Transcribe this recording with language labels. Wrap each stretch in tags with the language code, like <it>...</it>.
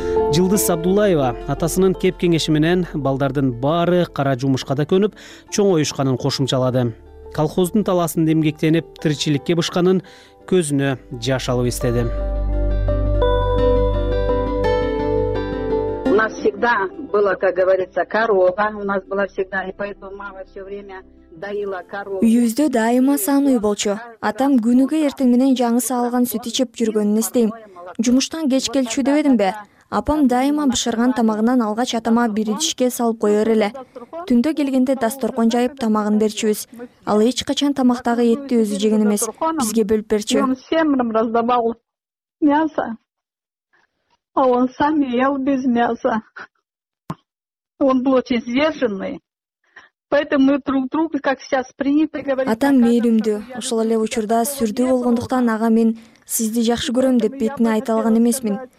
<ky>Жылдыз Абдуллаева атасынын кеп кеңеши менен балдардын баары кара жумушка да көнүп, чоңоюшканын кошумчалады. Колхоздун таласында эмгектенип тиричиликке бышканын көзүнө жаш алып эстеди.</ky> <ru>У нас всегда было, как говорится, корова. У нас была всегда, и поэтому мама все время доила корову.</ru> <ky>Үйүздө дайыма сан үй болчу. Атам күнүгө эртең менен жаңысы алган сүт ичип жүргөнүн эстейм. Жумуштан кеч келчү дебедимби? Апам дайыма бышырган тамагынан алгач атама бир идишке салып коёр эле. Түндө келгенде дасторкон жайып тамагын берчүбүз. Ал эч качан тамактагы этти өзү жеген эмес, бизге бөлүп берчү.</ky> <ru>Он всем раздавал мясо, а он сам ел без мяса. Он был очень сдержанный. Поэтому друг друга, как сейчас принято говорить.</ru> <ky>Атам мээримдүү, ошол эле учурда сүрдүү болгондуктан ага мен сизди жакшы көрөм деп бетине айта алган эмесмин.</ky>